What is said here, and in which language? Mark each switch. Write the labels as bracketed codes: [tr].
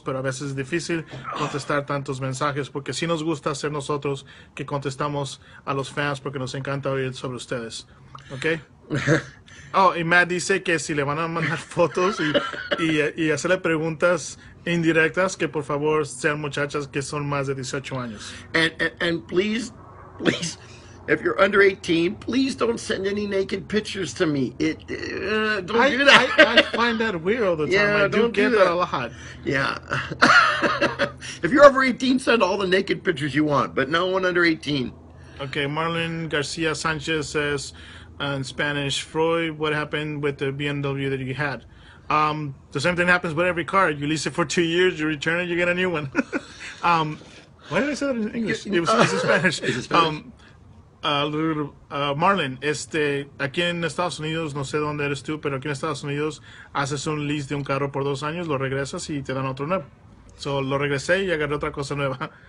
[es] Pero a veces es difícil contestar tantos mensajes porque sí nos gusta ser nosotros que contestamos a los fans porque nos encanta oír sobre ustedes. ¿Ok? Oh, y Matt dice que si le van a mandar fotos y hacerle preguntas indirectas, que por favor sean muchachas que son más de 18 años. [en] And please, if you're under 18, please don't send any naked pictures to me. Don't do that. I find that weird all the time. Yeah, I don't get that a lot. Yeah. If you're over 18, send all the naked pictures you want, but no one under 18. Okay, Marlon Garcia Sanchez says, in Spanish, Froy, what happened with the BMW that you had? The same thing happens with every car. You lease it for 2 years, you return it, you get a new one. why did I say that in English? It was in Spanish. [es] Marlon, aquí en Estados Unidos, no sé dónde eres tú, pero aquí en Estados Unidos, haces un lease de un carro por 2 años, lo regresas y te dan otro nuevo. So, lo regresé y agarré otra cosa nueva.